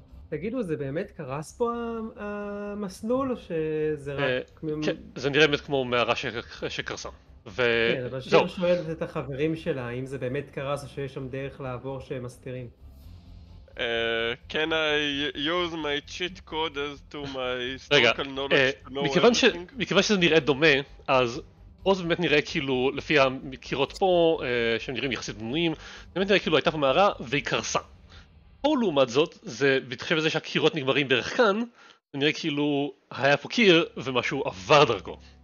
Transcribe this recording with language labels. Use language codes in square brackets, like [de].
[he] תגידו, זה באמת קרס פה המסלול, או שזה רק... זה נראה באמת כמו מערה שקרסה. כן, אבל שואל את החברים שלה, האם זה באמת קרס או שיש שם דרך לעבור שהם מסתירים. [en] Can I use my cheat code as to my historical knowledge to know [he] מכיוון [en] everything? [he] מכיוון שזה נראה דומה, אז פה זה באמת נראה כאילו, לפי המקירות פה, שהם נראים יחסית בנויים, זה באמת נראה כאילו הייתה פה מערה והיא קרסה. פה לעומת זאת, זה בהתחשב בזה שהקירות נגמרים בערך כאן, זה נראה כאילו היה פה קיר ומשהו עבר דרכו.